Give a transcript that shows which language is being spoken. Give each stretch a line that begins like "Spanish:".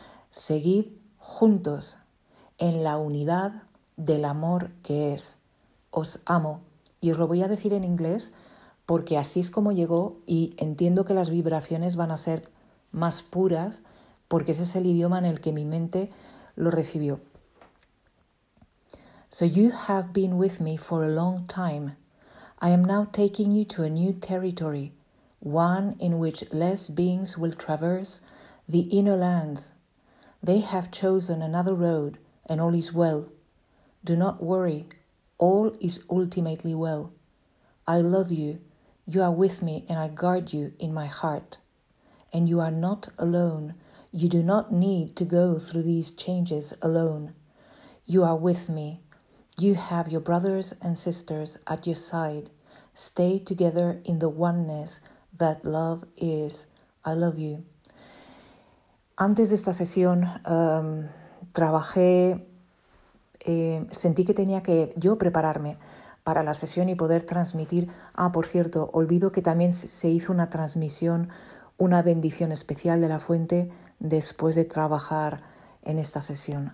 Spanish: Seguid juntos en la unidad del amor que es. Os amo. Y os lo voy a decir en inglés porque así es como llegó y entiendo que las vibraciones van a ser más puras porque ese es el idioma en el que mi mente lo recibió.
English: So you have been with me for a long time. I am now taking you to a new territory, one in which less beings will traverse the inner lands. They have chosen another road and all is well. Do not worry. All is ultimately well. I love you. You are with me and I guard you in my heart. And you are not alone. You do not need to go through these changes alone. You are with me. You have your brothers and sisters at your side. Stay together in the oneness that love is. I love you.
Spanish: Antes de esta sesión, trabajé, sentí que tenía que yo prepararme para la sesión y poder transmitir. Ah, por cierto, olvido que también se hizo una transmisión, una bendición especial de la fuente después de trabajar en esta sesión.